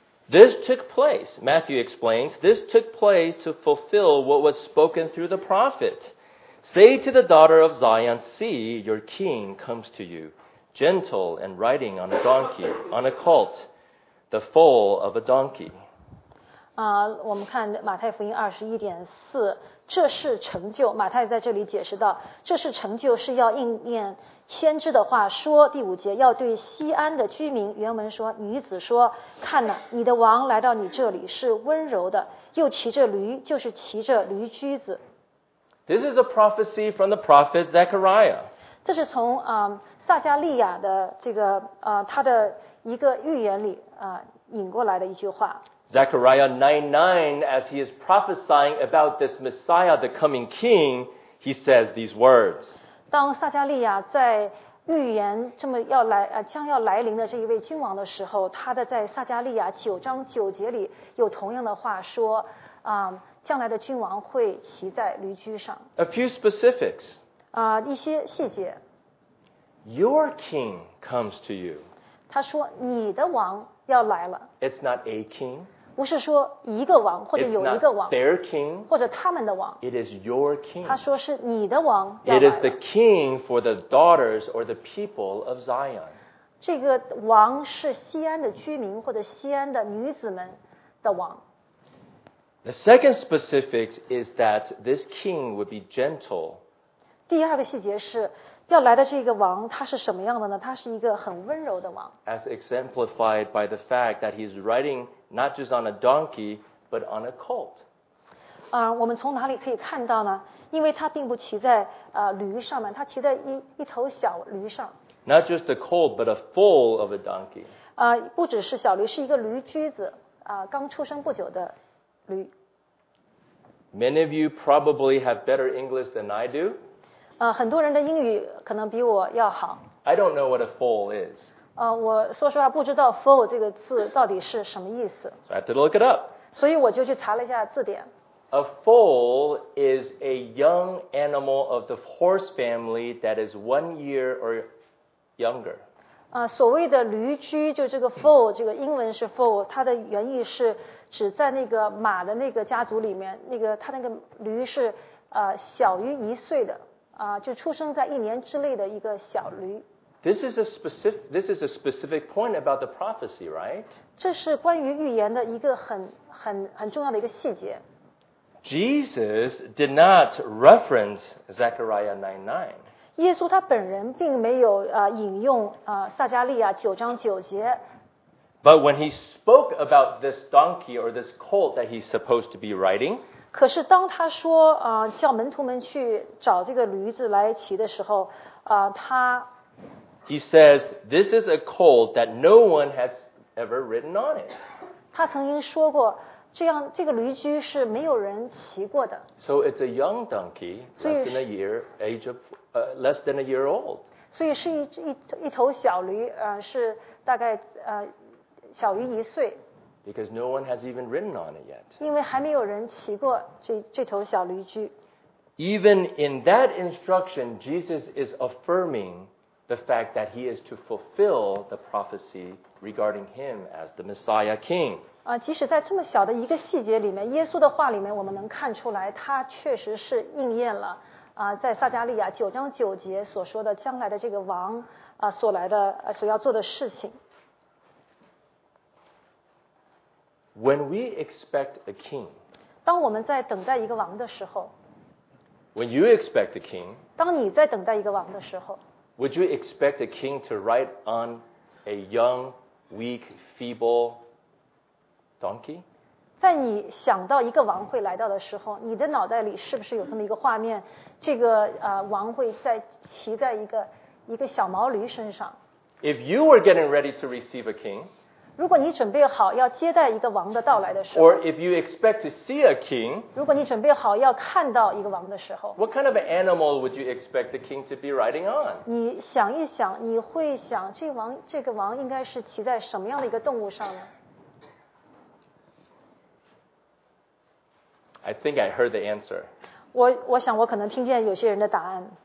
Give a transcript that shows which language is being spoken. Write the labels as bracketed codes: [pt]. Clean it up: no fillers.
[en] This took place, Matthew explains, this took place to fulfill what was spoken through the prophet. Say to the daughter of Zion, see, your king comes to you, gentle and riding on a donkey, on a colt, the foal of a donkey. [zh] 我们看马太福音21:4，这是成就，马太在这里解释到，这是成就是要应验先知的话，说第五节要对西安的居民，原文说女子说，看哪，你的王来到你这里是温柔的，又骑着驴，就是骑着驴驹子。 [en] This is a prophecy from the prophet Zechariah. [zh] 这是从撒迦利亚的这个他的一个预言里引过来的一句话。 [en] Zechariah 9:9, as he is prophesying about this Messiah, the coming king, he says these words. [zh] 当撒迦利亚在预言这么要来将要来临的这一位君王的时候，他的在撒迦利亚9:9里有同样的话说，将来的君王会骑在驴驹上。 [en] A few specifics. [zh] 一些细节。 [en] Your king comes to you. [zh] 他说你的王要来了。 [en] It's not a king. [zh] 不是说一个王或者有一个王。 [en] It's not their king. [zh] 或者他们的王。 [en] It is your king. [zh] 他说是你的王要来了。 [en] It is the king for the daughters or the people of Zion. [zh] 这个王是西安的居民或者西安的女子们的王。 [en] The second specifics is that this king would be gentle. [zh] 第二个细节是要来的这个王他是什么样的呢？他是一个很温柔的王。 [en] As exemplified by the fact that he's riding not just on a donkey, but on a colt. [zh] 我们从哪里可以看到呢？因为他并不骑在驴上面，他骑在一头小驴上。 [en] Not just a colt, but a foal of a donkey. [zh] 不只是小驴，是一个驴驹子，刚出生不久的。 [en] Many of you probably have better English than I do. [zh] 很多人的英语可能比我要好。 [en] I don't know what a foal is. [zh] 我说实话不知道 foal 这个字到底是什么意思。 [en] So I had to look it up. [zh] 所以我就去查了一下字典。 [en] A foal is a young animal of the horse family that is 1 year or younger. [zh] 所谓的驴驹就这个 foal 这个英文是 foal 它的原意是只在那个马的那个家族里面那个他那个驴是小于一岁的就出生在一年之内的一个小驴。 [en] This is a specific point about the prophecy, right? [zh] 这是关于预言的一个很重要的一个细节。 [en] Jesus did not reference Zechariah 9:9. [zh] 耶稣他本人并没有引用撒迦利亚9:9。 [en] But when he spoke about this donkey or this colt that he's supposed to be riding, [zh] 可是当他说叫门徒们去找这个驴子来骑的时候他 [en] he says, this is a colt that no one has ever ridden on it. [zh] 他曾经说过这个驴驹是没有人骑过的。 [en] So it's a young donkey, less than a year old. [zh] 所以是一头小驴是大概小于一岁。 [en] Because no one has even ridden on it yet. [zh] 因为还没有人骑过这头小驴驹。 [en] Even in that instruction, Jesus is affirming the fact that he is to fulfill the prophecy regarding him as the Messiah King. [zh] 即使在这么小的一个细节里面，耶稣的话里面，我们能看出来，他确实是应验了在撒迦利亚9:9所说的将来的这个王所来的所要做的事情。 [en] When we expect a king, [zh] 当我们在等待一个王的时候 [en] ，When you expect a king, [zh] 当你在等待一个王的时候 [en] ，Would you expect a king to ride on a young, weak, feeble donkey? [zh] 在你想到一个王会来到的时候，你的脑袋里是不是有这么一个画面？这个王会骑在一个小毛驴身上 [en] ？If you were getting ready to receive a king. [zh] 如果你准备好要接待一个王的到来的时候 [en] ，or if you expect to see a king， [zh] 如果你准备好要看到一个王的时候 [en] ，what kind of animal would you expect the king to be riding on？ [zh] 你想一想，你会想这个王应该是骑在什么样的一个动物上呢 [en] I think I heard the answer. [zh] 我想我可能听见有些人的答案。